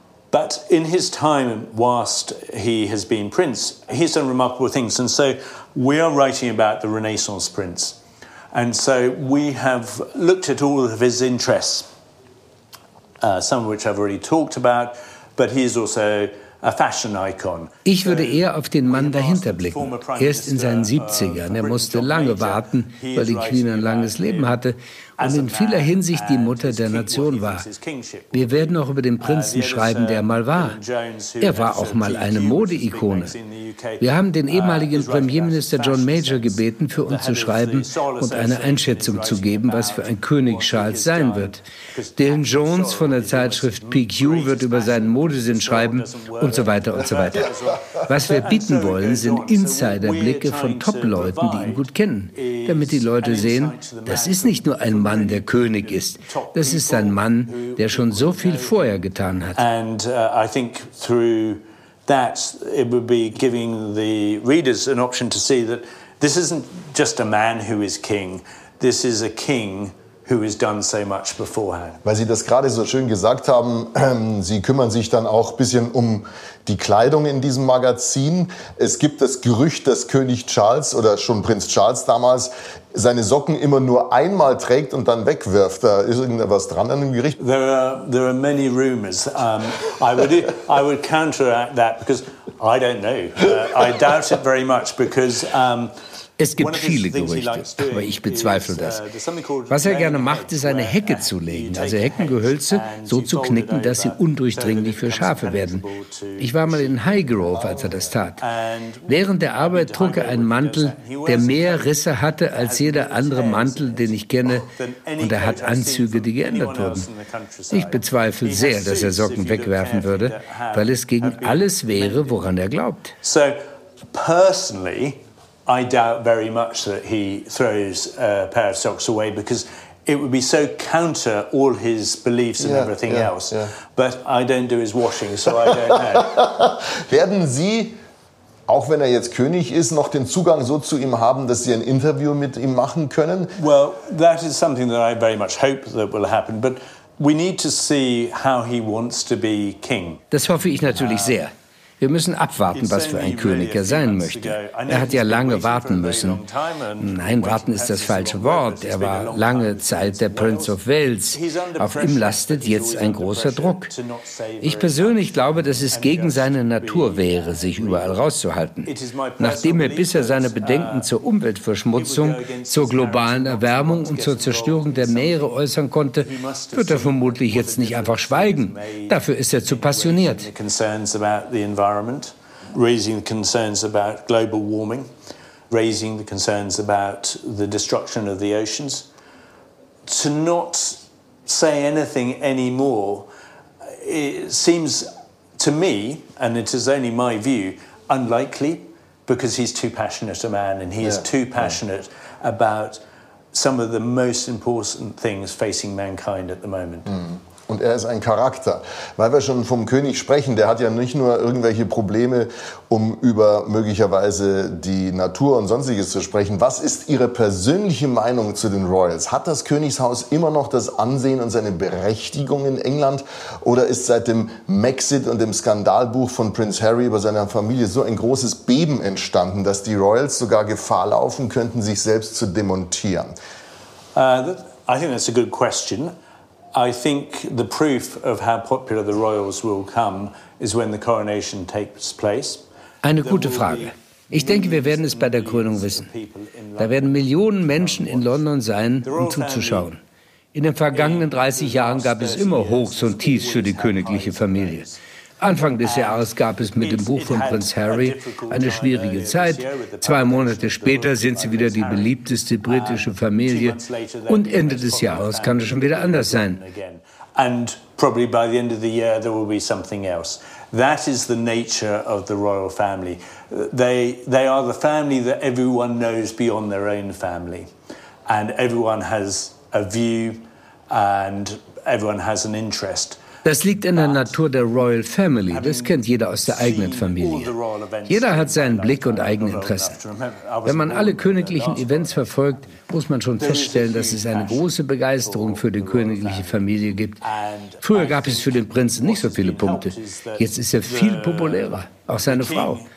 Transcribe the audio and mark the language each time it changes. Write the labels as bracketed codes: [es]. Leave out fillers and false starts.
[en] But in his time, whilst he has been prince, he's done remarkable things. And so we are writing about the Renaissance prince. And so we have looked at all of his interests, some of which I've already talked about, but he is also a fashion icon. [de] Ich würde eher auf den Mann dahinter blicken. Er ist in seinen 70ern. Er musste lange warten, weil die Queen ein langes Leben hatte und in vieler Hinsicht die Mutter der Nation war. Wir werden auch über den Prinzen schreiben, der er mal war. Er war auch mal eine Modeikone. Wir haben den ehemaligen Premierminister John Major gebeten, für uns zu schreiben und eine Einschätzung zu geben, was für ein König Charles sein wird. Dylan Jones von der Zeitschrift PQ wird über seinen Modesinn schreiben und so weiter und so weiter. Was wir bieten wollen, sind Insiderblicke von Top-Leuten, die ihn gut kennen, damit die Leute sehen, das ist nicht nur ein Mann, der König ist. Das ist ein Mann, der schon so viel vorher getan hat. [en] And I think through that it would be giving the readers an option to see that this isn't just a man who is king. This is a king who has done so much beforehand. [de] Weil Sie das gerade so schön gesagt haben, Sie kümmern sich dann auch ein bisschen um die Kleidung in diesem Magazin. Es gibt das Gerücht, dass König Charles oder schon Prinz Charles damals seine Socken immer nur einmal trägt und dann wegwirft. Da ist irgendwas dran an dem Gerücht. [en] There are many rumors. I would counteract that because I don't know. I doubt it very much because [de] es gibt viele Gerüchte, aber ich bezweifle das. Was er gerne macht, ist eine Hecke zu legen, also Heckengehölze so zu knicken, dass sie undurchdringlich für Schafe werden. Ich war mal in Highgrove, als er das tat. Während der Arbeit trug er einen Mantel, der mehr Risse hatte als jeder andere Mantel, den ich kenne, und er hat Anzüge, die geändert wurden. Ich bezweifle sehr, dass er Socken wegwerfen würde, weil es gegen alles wäre, woran er glaubt. [en] So, personally, I doubt very much that he throws a pair of socks away because it would be so counter all his beliefs and everything else. Yeah. But I don't do his washing, so I don't know. [de] Werden Sie, auch wenn er jetzt König ist, noch den Zugang so zu ihm haben, dass Sie ein Interview mit ihm machen können? [en] Well, that is something that I very much hope that will happen, but we need to see how he wants to be king. [de] Das hoffe ich natürlich sehr. Wir müssen abwarten, was für ein König er sein möchte. Er hat ja lange warten müssen. Nein, warten ist das falsche Wort. Er war lange Zeit der Prince of Wales. Auf ihm lastet jetzt ein großer Druck. Ich persönlich glaube, dass es gegen seine Natur wäre, sich überall rauszuhalten. Nachdem er bisher seine Bedenken zur Umweltverschmutzung, zur globalen Erwärmung und zur Zerstörung der Meere äußern konnte, wird er vermutlich jetzt nicht einfach schweigen. Dafür ist er zu passioniert. [en] Environment, raising the concerns about global warming, raising the concerns about the destruction of the oceans. To not say anything anymore, it seems to me, and it is only my view, unlikely, because he's too passionate a man, and he is too passionate about some of the most important things facing mankind at the moment. [de] Und er ist ein Charakter. Weil wir schon vom König sprechen, der hat ja nicht nur irgendwelche Probleme, um über möglicherweise die Natur und Sonstiges zu sprechen. Was ist Ihre persönliche Meinung zu den Royals? Hat das Königshaus immer noch das Ansehen und seine Berechtigung in England? Oder ist seit dem Mexit und dem Skandalbuch von Prinz Harry über seine Familie so ein großes Beben entstanden, dass die Royals sogar Gefahr laufen könnten, sich selbst zu demontieren? [en] I think that's a good question. I think the proof of how popular the royals will come is when the coronation takes place. [de] Eine gute Frage. Ich denke, wir werden es bei der Krönung wissen. Da werden Millionen Menschen in London sein, um zuzuschauen. In den vergangenen 30 Jahren gab es immer Hochs und Tiefs für die königliche Familie. Anfang des Jahres gab es mit dem Buch von Prinz Harry eine schwierige Zeit. Zwei Monate später sind sie wieder die beliebteste britische Familie. Und Ende des Jahres kann es schon wieder anders sein. [en] And probably by the end of the year there will be something else. That is the nature of the royal family. They are the family that everyone knows beyond their own family. And everyone has a view and everyone has an interest. [de] Das liegt in der Natur der Royal Family. Das kennt jeder aus der eigenen Familie. Jeder hat seinen Blick und Eigeninteressen. Wenn man alle königlichen Events verfolgt, muss man schon feststellen, dass es eine große Begeisterung für die königliche Familie gibt. Früher gab es für den Prinzen nicht so viele Punkte. Jetzt ist er viel populärer. Auch seine Frau.